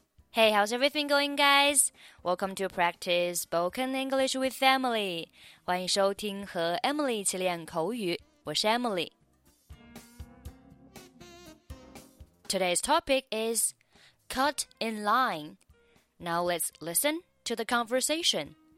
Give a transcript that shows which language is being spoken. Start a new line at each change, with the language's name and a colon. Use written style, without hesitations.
English: Hey, how's everything going, guys? Welcome to practice spoken English with Emily.
Chinese: 欢迎收听和 Emily 一起练口语。我是 Emily.
English: Today's topic is cut in line. Now let's listen to the conversation.